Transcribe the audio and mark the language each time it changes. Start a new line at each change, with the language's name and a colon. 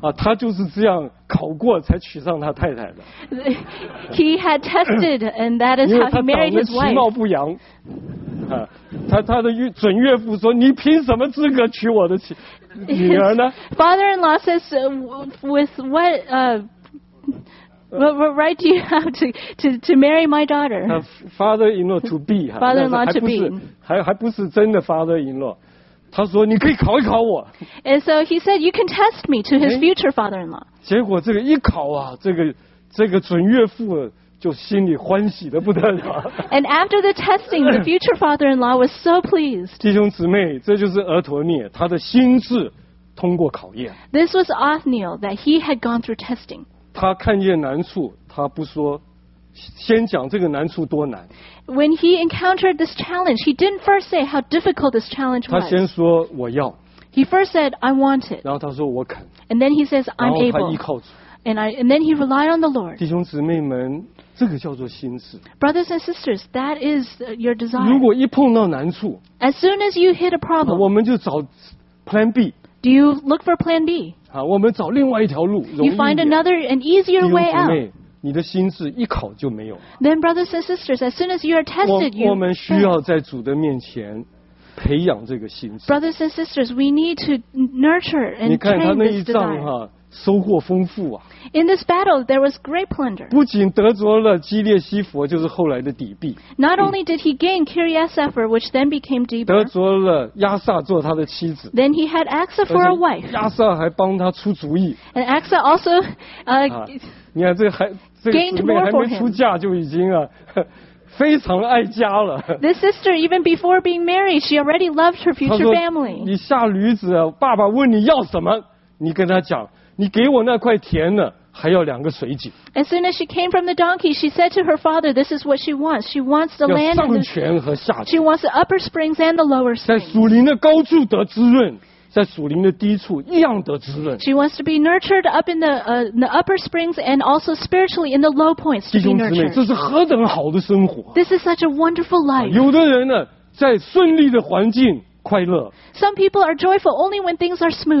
Chinese: 啊，他就是这样考过才娶上他太太的
English: He had tested and that is how he married his wife
Chinese: 其貌不扬他的准岳父说你凭什么资格娶我的女儿呢
English: Father-in-law says with what right do you have to marry my daughter Father-in-law to be Father-in-law to be
Chinese: 还不是真的
English: Father-in-law
Chinese: 他说你可以考一考我
English: And so he said you can test me to his future father-in-law
Chinese: 结果这个一考啊这个准岳父就心里欢喜得不得了
English: And after the testing, the future father-in-law was so pleased
Chinese: 弟兄姊妹这就是俄陀涅他的心智通过考验
English: This was Othniel that he had gone through testing
Chinese: 他看见难处他不说先讲这个难处多难
English: When he encountered this challenge, he didn't first say how difficult this challenge was
Chinese: 他先说我要
English: He first said, I want it
Chinese: 然后他说我肯
English: And then he says, I'm able
Chinese: 然后他依靠主
English: And then he relied on the Lord.
Chinese: 弟兄姊妹们，这个叫做心智。
English: Brothers and sisters, that is your desire.
Chinese: 如果一碰到难处
English: ，As soon as you hit a problem,
Chinese: 我们就找 Plan B.
English: Do you look for Plan B?
Chinese: 啊，我们找另外一条路，容易一点。
English: You find another and easier way out.
Chinese: 弟兄姊妹，你的心智一考就没有。
English: Then brothers and sisters, as soon as you are tested,
Chinese: 我们需要在主的面前培养这个心智。
English: Brothers and sisters, we need to nurture and train this desire.
Chinese: 你看他那一仗哈。收获丰富啊
English: In this battle, there was great plunder.
Chinese: 不仅得着了基列西弗，就是后来的底壁。
English: Not only did he gain Kiriath Sefer, which then became Debir.
Chinese: 得着了亚萨做他的妻子。
English: Then he had Aksa for a wife.
Chinese: 亚萨还帮他出主意。
English: And Aksa also,
Chinese: 你看这还这个姊妹还没出嫁就已经啊。非常爱家了。
English: This sister, even before being married, she already loved her future family.
Chinese: 你下驴子，爸爸问你要什么，你跟他讲。你给我那块田呢，还要两个水井。
English: As soon as she came from the donkey, she said to her father, "This is what she wants. She wants the land."
Chinese: 要上泉和下泉。
English: She wants the upper springs and the lower springs.
Chinese: 在属灵的高处得滋润，在属灵的低处一样得滋润。
English: She wants to be nurtured up in the upper springs and also spiritually in the low points to be nurtured.
Chinese: 弟兄姊妹，这是何等好的生活！
English: This is such a wonderful life.
Chinese: 有的人呢，在顺利的环境。快乐。
English: Some people are joyful only when things are smooth.